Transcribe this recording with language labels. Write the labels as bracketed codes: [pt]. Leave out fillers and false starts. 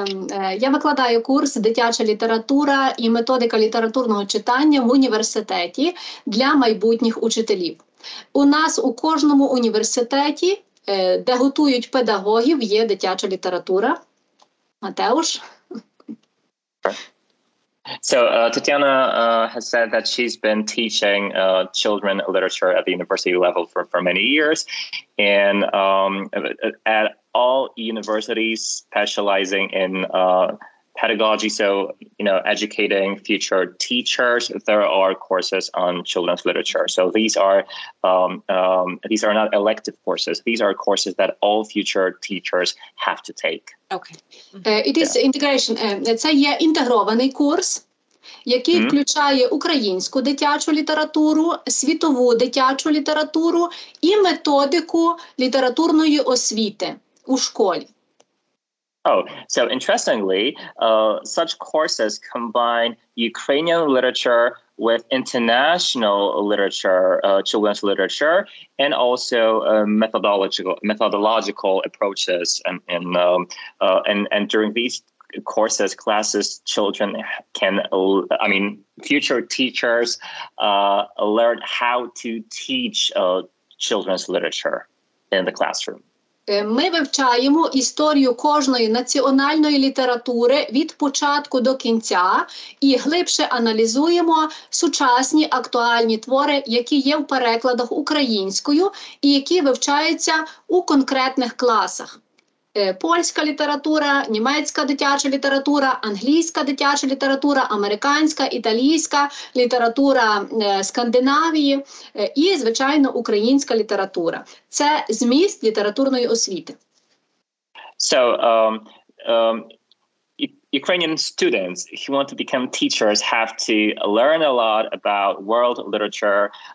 [uk] Я викладаю курс «Дитяча література і методика літературного читання» в університеті для майбутніх учителів. У нас у кожному університеті, де готують педагогів, є дитяча література. Матеуш? [en] So Tetiana has said that she's been teaching children literature at the university level for many years, and at all universities specializing in pedagogy, so you know, educating future teachers, there are courses on children's literature. So these are not elective courses. These are courses that all future teachers have to take. Okay. It is integration. [uk] Це є інтегрований курс, який включає українську дитячу літературу, світову дитячу літературу і методику літературної освіти у школі. [en] Oh, so interestingly, such courses combine Ukrainian literature with international literature, children's literature, and also methodological approaches. And during these courses, classes, children can, I mean, future teachers learn how to teach children's literature in the classroom. [uk] Ми вивчаємо історію кожної національної літератури від початку до кінця і глибше аналізуємо сучасні актуальні твори, які є в перекладах українською і які вивчаються у конкретних класах. Польська література, німецька дитяча література, англійська дитяча література, американська, італійська література Скандинавії і, звичайно, українська література. Це зміст літературної освіти. [en] So, Ukrainian students who want to become teachers have to learn a lot about world literature.